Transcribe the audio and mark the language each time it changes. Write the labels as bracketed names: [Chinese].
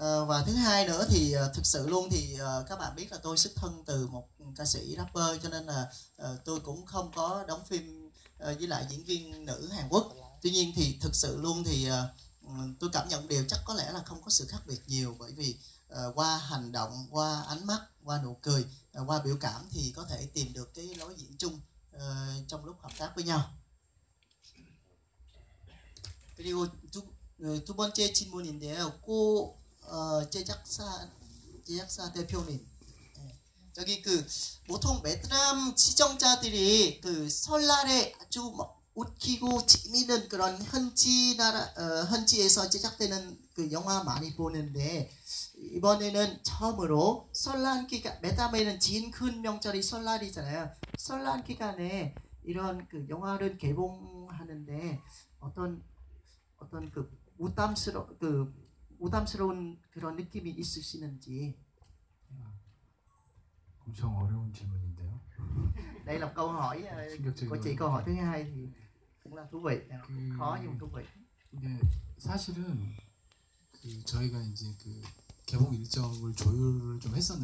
[Vietnamese] Và thứ hai nữa thì thực sự luôn thì các bạn biết là tôi xuất thân từ một ca sĩ rapper cho nên là tôi cũng không có đóng phim với lại diễn viên nữ Hàn Quốc. Tuy nhiên thì thực sự luôn thì tôi cảm nhận điều chắc có lẽ là không có sự khác biệt nhiều bởi vì qua hành động, qua ánh mắt, qua nụ cười, qua biểu cảm thì có thể tìm được cái lối diễn chung trong lúc hợp tác với nhau. [Korean] 그리고 두 번째 질문인데요. 고 제작사 대표님. 저기 그 보통 베트남 시청자들이 그 설날에 아주 웃기고 재미있는 그런 현지 나라 현지에서 제작되는 그 영화 많이 보는데 이번에는 처음으로 설날 기간 베트남에는 진 큰 명절이 설날이잖아요. 설날 기간에 이런 그 영화를 개봉하는데 어떤 그 부담스러운 그런 느낌이 있으시는지. 엄청 어려운 질문인데요. [Vietnamese] Đây là câu hỏi của chị, câu hỏi thứ hai thì cũng là thú vị. [Korean] 그, 이게 사실은 그 저희가 이제 그 개봉 일정을 조율을 좀 했었는데